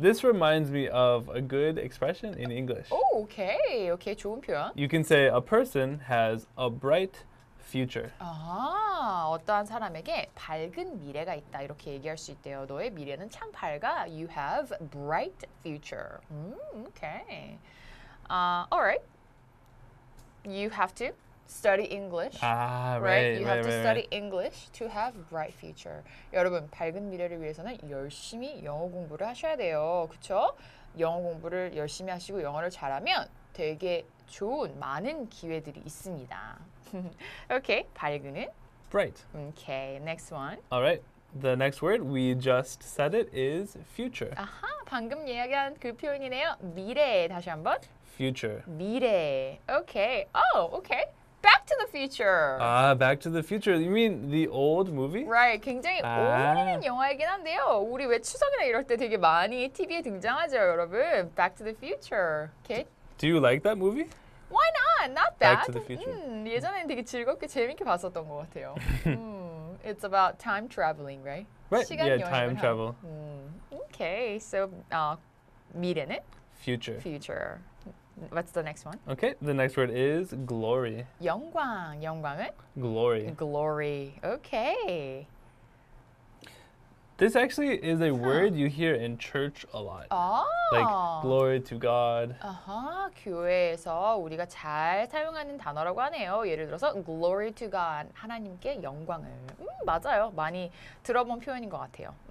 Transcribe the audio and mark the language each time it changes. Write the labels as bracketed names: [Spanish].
[English] This reminds me of a good expression in English. Oh, okay. Okay, [Korean] 좋은 표현. [English] You can say a person has a bright future. [Korean] 아, 어떠한 사람에게 밝은 미래가 있다. 이렇게 얘기할 수 있대요. 너의 미래는 참 밝아. [English] You have bright future. Okay. All right. You have to study English. Right. English to have bright future. [Korean] 여러분, 밝은 미래를 위해서는 열심히 영어 공부를 하셔야 돼요. 그렇죠? 영어 공부를 열심히 하시고 영어를 잘하면 되게 좋은 많은 기회들이 있습니다. Okay, 밝은은 [English] bright. Okay, next one. All right. The next word we just said it is future. [Korean] 아하, 방금 이야기한 그 표현이네요. 미래. 다시 한번. [English] Future. 미래. Okay. Oh, okay. Back to the Future. Ah, Back to the Future. You mean the old movie? Right. [Korean] 굉장히 오래된 영화이긴 한데요. 우리 왜 추석이나 이럴 때 되게 많이 TV에 등장하죠, 여러분. [English] Back to the Future. Okay. Do you like that movie? Why not? Not bad. Back to the Future. [Korean] 예전에는 되게 즐겁게 재밌게 봤었던 것 같아요. [English] It's about time traveling, right? Right. Yeah, time travel. Okay. So, 미래는? Future. Future. What's the next one? Okay, the next word is glory. [Korean] 영광, 영광은? [English] Glory. Glory, okay. This actually is a word you hear in church a lot. Oh. Like, glory to God. Uh-huh. [Korean] 교회에서 우리가 잘 사용하는 단어라고 하네요. 예를 들어서, [English] glory to God, [Korean] 하나님께 영광을. 맞아요. 많이 들어본 표현인 것 같아요.